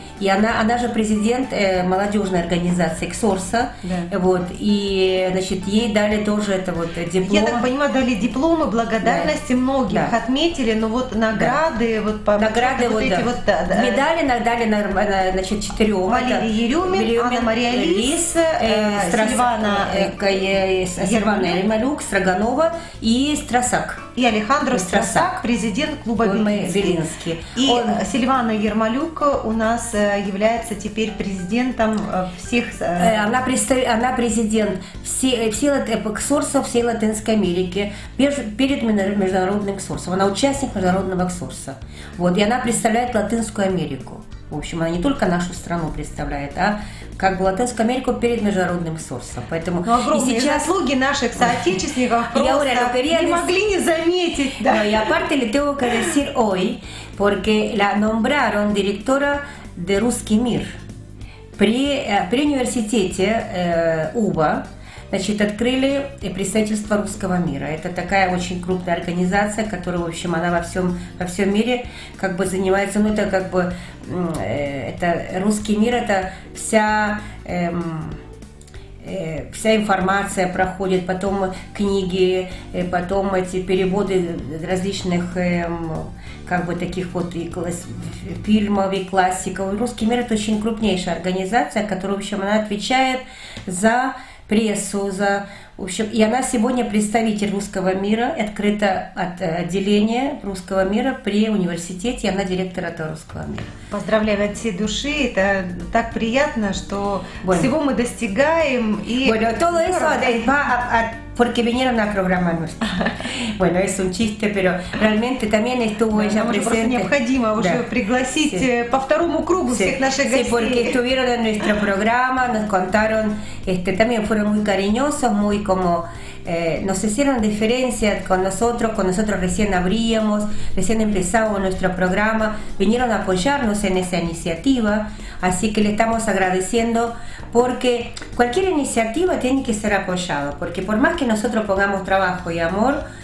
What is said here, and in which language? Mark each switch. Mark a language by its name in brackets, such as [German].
[Russian] И она же президент молодежной организации КСОРСа, да. Вот, и значит, ей дали тоже это вот диплом. Я так понимаю, дали дипломы, благодарности, да, многих, да, отметили, но вот награды, вот по награды, вот, да, вот, да, да, медали дали, значит, четырем. Валерий Ерюмин, Анна-Мария Лис, Сильвана Эльмалюк, Строганова и Страсак. И Алехандро Страсак, президент клуба Белинский. И Сильвана Ермолюк у нас является теперь президентом всех. Она президент всей Латинской Америки перед международным КСОРСом. Она участник международного КСОРСа. Вот, и она представляет Латинскую Америку. В общем, она не только нашу страну представляет, а как бы Латинскую Америку перед международным СОРСом. Поэтому ну, огромные сейчас заслуги наших соотечественников просто не могли не заметить. Да. [Spanish] No, y aparte le tengo que decir hoy, porque la nombraron directora de Русский мир [Russian] при университете [Spanish] УБА. [Russian] Значит, открыли представительство Русского мира. Это такая очень крупная организация, которая, в общем, она во всем мире как бы занимается. Ну, это как бы это Русский мир, это вся информация проходит, потом книги, потом эти переводы различных как бы таких вот и фильмов, и классиков. Русский мир — это очень крупнейшая организация, которая, в общем, она отвечает за прессу, за, в общем, и она сегодня представитель Русского мира, открыто отделение Русского мира при университете, и она директор этого Русского мира. Поздравляю от всей души, это так приятно, что bueno, всего мы достигаем. И [Spanish] bueno, todo eso, porque vinieron a programa nuestro. Bueno, es un chiste, pero realmente también estuvo ella presente. [Russian] Просто необходимо уже пригласить по второму кругу всех наших гостей. [Spanish] Sí, porque estuvieron en nuestro programa, nos contaron, también fueron muy cariñosos, muy como, nos hicieron diferencia con nosotros recién abríamos, recién empezamos nuestro programa, vinieron a apoyarnos en esa iniciativa, así que le estamos agradeciendo, porque cualquier iniciativa tiene que ser apoyada, porque por más que nosotros pongamos trabajo y amor,